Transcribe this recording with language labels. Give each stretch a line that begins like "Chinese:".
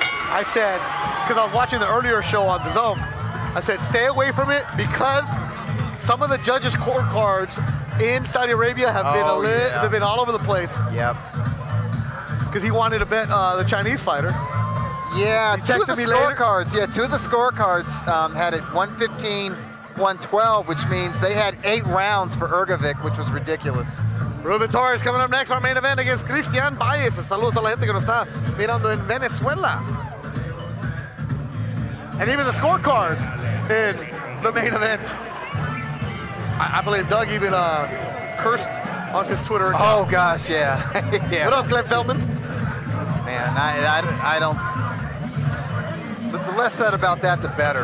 English: I said, because I was watching the earlier show on The Zone, I said, stay away from it because some of the judges' court cards in Saudi Arabia have they've been all over the place. Yep. Because he wanted to bet the Chinese fighter. Yeah, two of the scorecards had it 115-112, which means they had 8 rounds for Ergovic, which was ridiculous. Ruben Torres coming up next, our main event against Cristian Baez.
Spanish: Saludos a la gente que nos está mirando en Venezuela.
English: And even the scorecard in the main event. I believe Doug even cursed on his Twitter account. Oh, gosh, yeah. Yeah. What up, Clint Feldman? Man, I don't. The less said about that, the better.